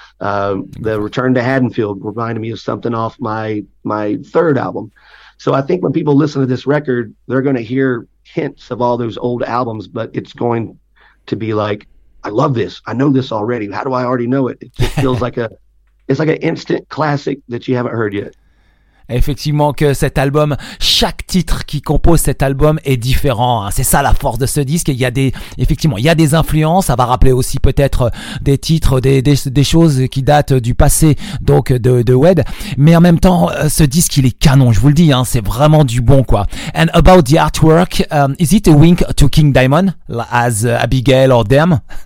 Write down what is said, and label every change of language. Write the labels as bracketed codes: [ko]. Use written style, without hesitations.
[en] The Return to Haddonfield reminded me of something off my third album. So I think when people listen to this record, they're going to hear hints of all those old albums, but it's going to be like, I love this. I know this already. How do I already know it? It just feels like it's like an instant classic that you haven't heard yet. [fr] Effectivement que cet album, chaque titre qui compose cet album est différent. Hein. C'est ça la force de ce disque. Il y a des influences. Ça va rappeler aussi peut-être des titres, des choses qui datent du passé, donc de Wed. Mais en même temps, ce disque, il est canon. Je vous le dis, hein, c'est vraiment du bon, quoi. [en] And about the artwork, is it a wink to King Diamond as Abigail or them?